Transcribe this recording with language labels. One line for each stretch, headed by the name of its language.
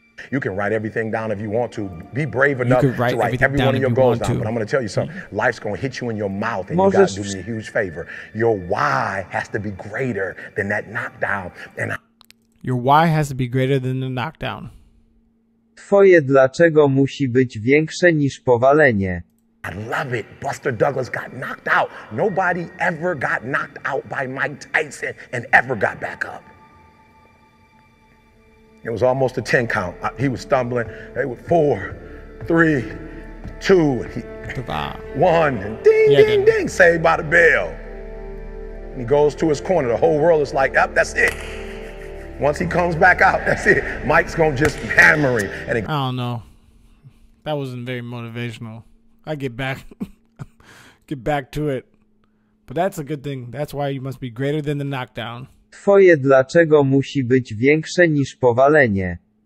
English: You can write everything down if you want to. Be brave enough to write every one of your goals down. But I'm going to tell you something. Life's going to hit you in your mouth, and you got to do me a huge favor. Your why has to be greater than that knockdown. Your why has to be greater than the knockdown.
Polish: Twoje dlaczego musi być większe niż powalenie.
English: I love it. Buster Douglas got knocked out. Nobody ever got knocked out by Mike Tyson and ever got back up. It was almost a 10 count. He was stumbling. They were 4, 3, 2, one. Ding, yeah, ding, ding. Saved by the bell. And he goes to his corner. The whole world is like, yep, that's it. Once he comes back out, that's it. Mike's going to just hammer him. I don't know. That wasn't very motivational. I get back to it. But that's a good thing. That's why you must be greater than the knockdown.
Polish: Twoje dlaczego musi być większe niż powalenie.